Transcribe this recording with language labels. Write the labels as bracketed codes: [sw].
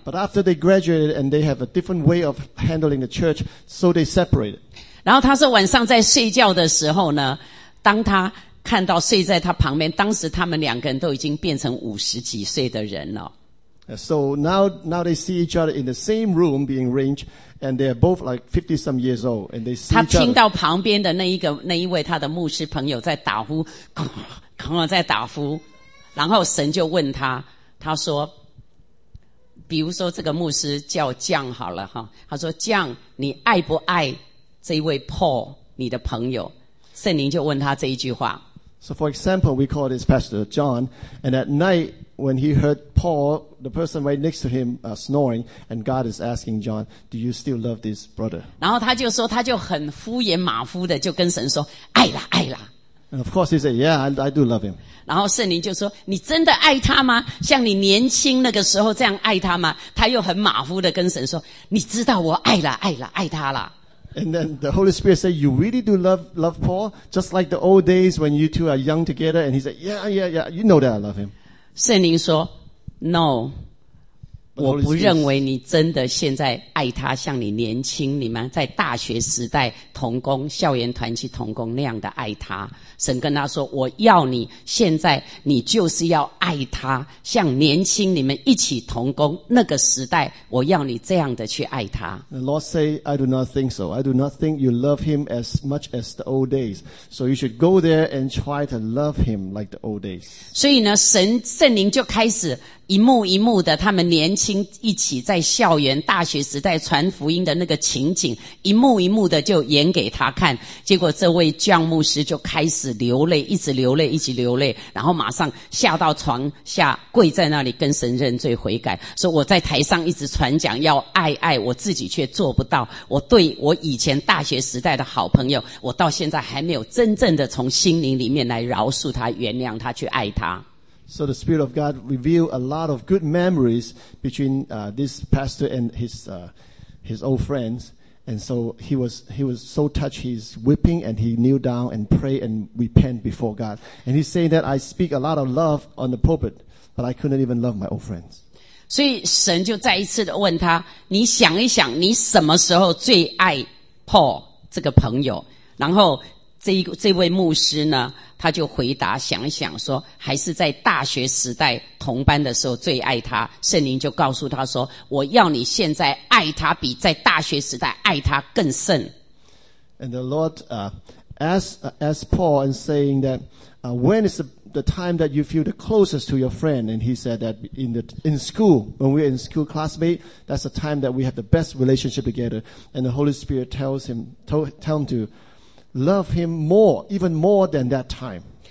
[en] But after they graduated and they have a different way of handling the church, so they separated. [zh] 然后他说晚上在睡觉的时候呢，当他看到睡在他旁边，当时他们两个人都已经变成五十几岁的人了。 [en] So now they see each other in the same room being arranged. And they're both like 50 some years old, and they see each other. [zh] 他听到旁边的那一位他的牧师朋友在打呼，刚刚在打呼，然后神就问他，他说，比如说这个牧师叫酱好了哈，他说酱，你爱不爱这一位 Paul 你的朋友？圣灵就问他这一句话。 [en] So for example, we call this pastor John, and at night. When he heard Paul, the person right next to him, snoring, and God is asking John, "Do you still love this brother?" [zh] 然后他就说，他就很敷衍马虎的就跟神说，爱啦，爱啦。 [en] And of course, he said, "Yeah, I do love him." [zh] 然后圣灵就说，你真的爱他吗？像你年轻那个时候这样爱他吗？他又很马虎的跟神说，你知道我爱啦，爱啦，爱他啦。 [en] And then the Holy Spirit said, "You really do love Paul, just like the old days when you two are young together." And he said, "Yeah. You know that I love him." [zh] 圣灵说 No, 我不认为你真的现在爱他像你年轻你们在大学时代同工校园团契同工那样的爱他。神跟他说我要你现在你就是要爱他像年轻你们一起同工那个时代我要你这样的去爱他。 [en] The Lord say, I do not think so. I do not think you love him as much as the old days. So you should go there and try to love him like the old days. [zh] 所以呢圣灵就开始一幕一幕的他们年轻一起在校园大学时代传福音的那个情景一幕一幕的就演给他看结果这位John牧师就开始流泪一直流泪一直流泪然后马上下到床下跪在那里跟神认罪悔改说我在台上一直传讲要爱我自己却做不到我对我以前大学时代的好朋友我到现在还没有真正的从心灵里面来饶恕他原谅他去爱他 [en] So the Spirit of God revealed a lot of good memories between this pastor and his old friends. And so he was so touched, he's weeping, and he kneeled down and prayed and repented before God. And he's saying that I speak a lot of love on the pulpit, but I couldn't even love my old friends. [zh] 所以神就再一次的问他，你想一想，你什么时候最爱 Paul 这个朋友？然后这位牧师呢，他就回答，想一想说，还是在大学时代同班的时候最爱他。圣灵就告诉他说，我要你现在爱他比在大学时代爱他更甚。 [en] And the Lord asked Paul and saying that when is the time that you feel the closest to your friend? And he said that in school, when we're in school classmate, that's the time that we have the best relationship together. And the Holy Spirit tell him to love him more, even more than that time.